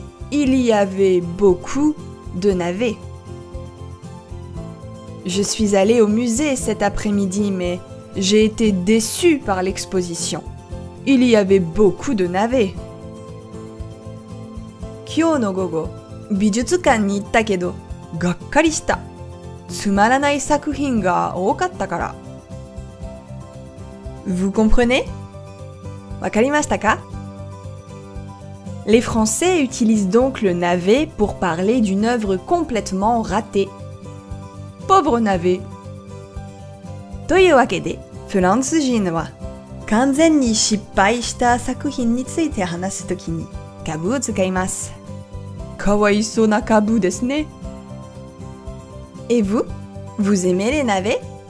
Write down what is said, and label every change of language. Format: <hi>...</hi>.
<fr>Il y avait beaucoup de navets. Je suis allée au musée cet après-midi, mais j'ai été déçue par l'exposition. Il y avait beaucoup de navets.</fr> <ja>今日の午後、美術館に行ったけど、がっかりした。つまらない作品が多かったから。</ja> <fr>Vous comprenez ?</fr> <ja>わかりましたか ?</ja> <fr>Les Français utilisent donc le navet pour parler d'une œuvre complètement ratée. Pauvre navet !</fr> <ja>というわけで、フランス人は完全に失敗した作品について話すときにカブを使います。かわいそうなカブですね。</ja> <fr>Et vous? Vous aimez les navets?</fr>